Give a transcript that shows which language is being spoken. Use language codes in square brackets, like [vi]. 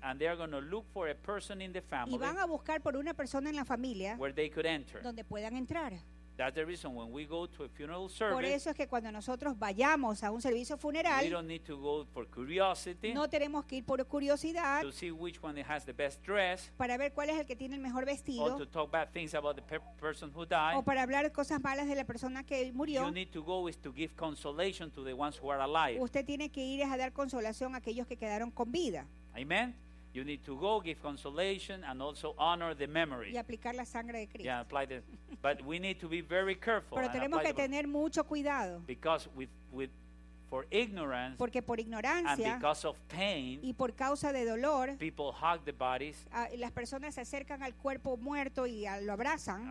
[en] And they are going to look for a person in the family. [es] Y van a buscar por una persona en la familia. [en] Where they could enter. [es] Donde puedan entrar. [en] That's the reason when we go to a funeral service. [es] Por eso es que cuando nosotros vayamos a un servicio funeral, [en] we don't need to go for curiosity. [es] No tenemos que ir por curiosidad. [en] To see which one has the best dress. [es] Para ver cuál es el que tiene el mejor vestido. [en] Or to talk bad things about the person who died. [es] O para hablar cosas malas de la persona que murió. [en] You need to go is to give consolation to the ones who are alive. Usted tiene que ir es a dar consolación a aquellos que quedaron con vida. Amen. You need to go, give consolation, and also honor the memory. [es] Y aplicar la sangre de Cristo. [en] Yeah, apply this. But we need to be very careful. [es] Pero tenemos que tener mucho cuidado. [en] Because with for ignorance. [es] Porque por ignorancia. [en] And because of pain. [es] Y por causa de dolor. [en] People hug the bodies. [es] Las personas se acercan al cuerpo muerto y lo abrazan.